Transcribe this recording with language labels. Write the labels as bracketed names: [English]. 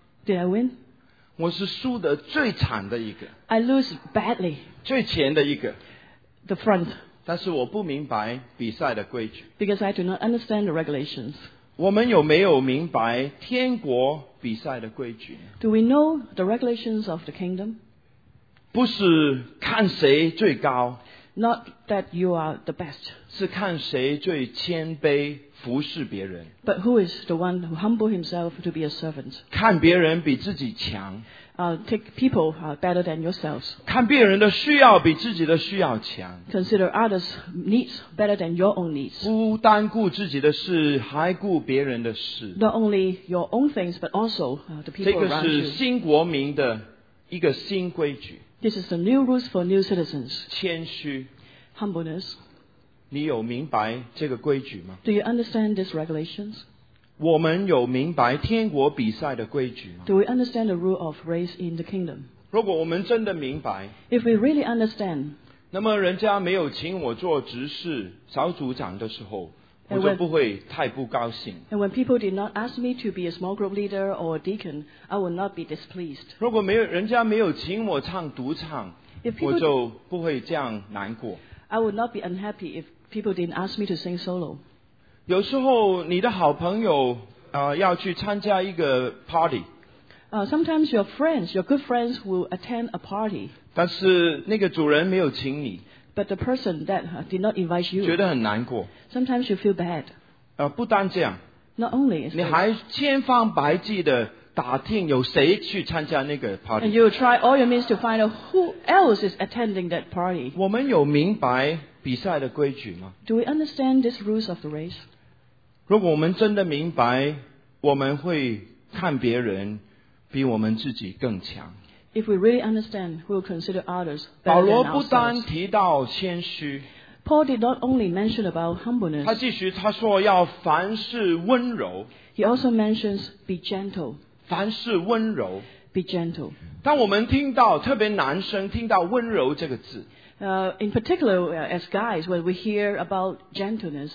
[English] Did I win? [Chinese] 我是输得最惨的一个。 [English] I lose badly. [Chinese] 最前的一个。 [English] The front. [Chinese] 但是我不明白比赛的规矩。 [English] Because I do not understand the regulations. [Chinese] 我们有没有明白天国比赛的规矩？ [English] Do we know the regulations of the kingdom? [Chinese] 不是看谁最高。 [English] Not that you are the best. [Chinese] 是看谁最谦卑服侍别人。 [English] But who is the one who humble himself to be a servant? [Chinese] 看别人比自己强。 [English] Take people better than yourselves. [Chinese] 看别人的需要比自己的需要强。 [English] Consider others' needs better than your own needs. [Chinese] 不单顾自己的事，还顾别人的事。 [English] Not only your own things, but also the people around you. [Chinese] 这个是新国民的一个新规矩。 [English] This is the new rules for new citizens. [Chinese] 谦虚。 [English] Humbleness. [Chinese] 你有明白这个规矩吗？ [English] Do you understand these regulations? [Chinese] 我们有明白天国比赛的规矩吗？ [English] Do we understand the rule of race in the kingdom? [Chinese] 如果我们真的明白。 [English] If we really understand. [Chinese] 那么人家没有请我做执事、小组长的时候，我就不会太不高兴。 [English] And when people did not ask me to be a small group leader or a deacon, I would not be displeased. [Chinese] 如果人家没有请我唱独唱，我就不会这样难过。 [English] I would not be unhappy if people didn't ask me to sing solo. [Chinese] 有时候你的好朋友要去参加一个 party. [English] Sometimes your good friends will attend a party. [Chinese] 但是那个主人没有请你。 [English] But the person that did not invite you. [Chinese] 觉得很难过。 [English] Sometimes you feel bad. [Chinese] 不单这样。 [English] Not only. [Chinese] 你还千方百计的打听有谁去参加那个 party. [English] And you try all your means to find out who else is attending that party. [Chinese] 我们有明白比赛的规矩吗？ [English] Do we understand these rules of the race? [Chinese] 如果我们真的明白，我们会看别人比我们自己更强。 [English] If we really understand, we will consider others better than ourselves. [Chinese] 保罗不单提到谦虚。 [English] Paul did not only mention about humbleness. [Chinese] 他继续他说要凡事温柔。 [English] He also mentions be gentle. [Chinese] 凡事温柔。 [English] Be gentle. [Chinese] 当我们听到特别男生听到温柔这个字。 [English] In particular, as guys, when we hear about gentleness.